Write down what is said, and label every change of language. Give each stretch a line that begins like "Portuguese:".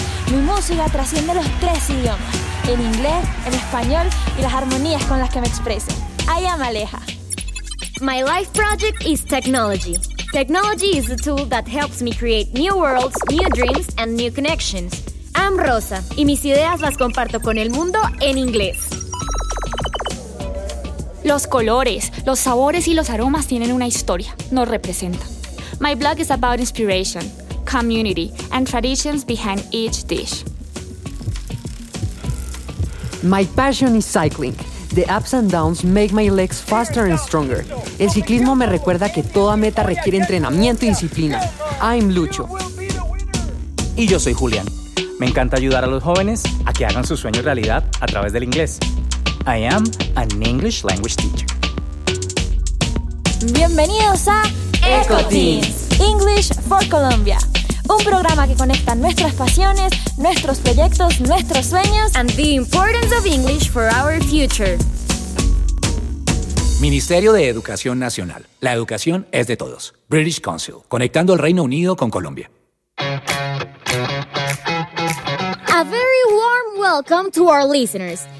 Spanish: Mi música trasciende los tres idiomas, en inglés, en español y las armonías con las que me expreso.
English: I am Aleja. My life project is technology. Technology is the tool that helps me create new worlds, new dreams, and new connections.
Spanish: I'm Rosa, y mis ideas las comparto con el mundo en inglés. Los colores, los sabores y los aromas tienen una historia, nos representan.
English: My blog is about inspiration, community, and traditions behind each dish. My passion is cycling. The ups and downs make my legs faster and stronger.
Spanish: El ciclismo me recuerda que toda meta requiere entrenamiento y disciplina.
English: I'm Lucho.
Spanish: Y yo soy Julián. Me encanta ayudar a los jóvenes a que hagan sus sueños realidad a través del inglés.
English: I am an English language teacher.
Spanish: Bienvenidos a EcoTeens, English for Colombia, un programa que conecta nuestras pasiones, nuestros proyectos, nuestros sueños
English: and the importance of English for our future.
Spanish: Ministerio de Educación Nacional. La educación es de todos. British Council, conectando el Reino Unido con Colombia.
English: A very warm welcome to our listeners.